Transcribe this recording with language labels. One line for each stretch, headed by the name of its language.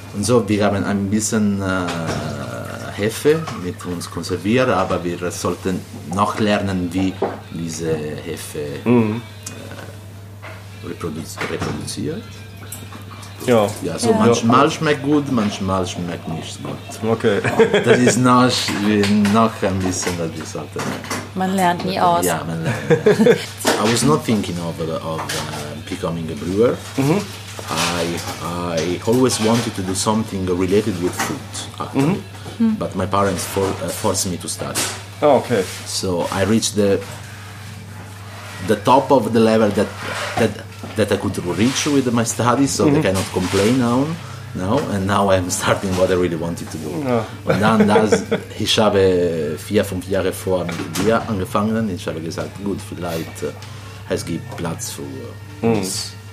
German: Und so, wir haben ein bisschen Hefe mit uns konserviert, aber wir sollten noch lernen, wie diese Hefe reproduziert. Ja. Ja, so manchmal schmeckt gut, manchmal schmeckt nicht gut. Okay. Das ist noch ein bisschen, dass wir sagten. Man lernt nie aus. Ja, man lernt.
English: I was not thinking of becoming a brewer. I always wanted to do something related with food, actually. But my parents forced me to study. Oh, okay. So I reached the top of the level that I could reach with my studies, so I cannot complain now, and now I'm starting what I really wanted to do. Oh.
German: Und dann, ich habe 4-5 Jahre vor mit dir angefangen, ich habe gesagt, gut, vielleicht es gibt Platz für uns.